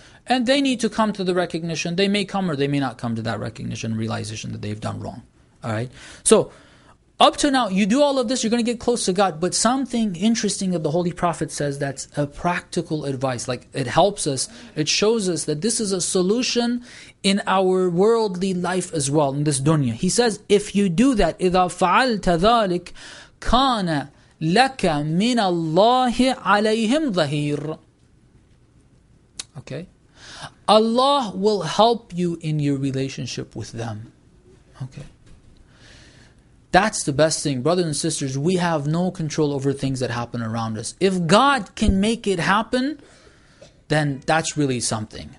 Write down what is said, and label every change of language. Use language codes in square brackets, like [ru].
[en] And they need to come to the recognition. They may come or they may not come to that recognition, realization that they've done wrong. All right. So up to now, you do all of this, you're going to get close to God. But something interesting that the Holy Prophet says, that's a practical advice. Like, it helps us. It shows us that this is a solution in our worldly life as well, in this dunya. He says, if you do that, [ar] إِذَا فَعَلْتَ ذَلِكَ كَانَ لَكَ مِنَ اللَّهِ عَلَيْهِمْ ظَهِيرٌ. [en] Okay. Allah will help you in your relationship with them. Okay. That's the best thing. Brothers and sisters, we have no control over things that happen around us. If God can make it happen, then that's really something.